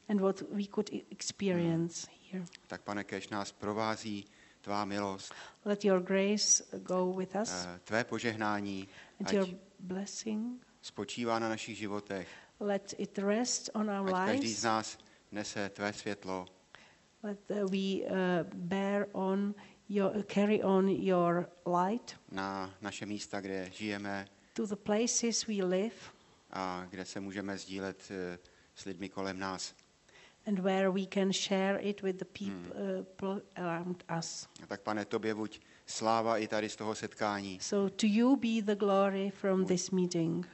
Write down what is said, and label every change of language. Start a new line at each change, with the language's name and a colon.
English: And what we could experience here.
Czech: Tak, Pane, kéž nás provází tvá milost.
English: Let your grace go with us.
Czech: Tvé požehnání.
English: And your blessing.
Czech: Spočívá na našich životech.
English: Let it rest on our lives.
Czech: Ať každý z nás nese tvé světlo.
English: Let we bear on your carry on your light.
Czech: Na naše místa, kde žijeme.
English: To the places we live.
Czech: A kde se můžeme sdílet s lidmi kolem nás.
English: And where we can share it with the people around us.
Czech: A tak, Pane, tobě buď sláva i tady z toho setkání.
English: So to you be the glory from this meeting.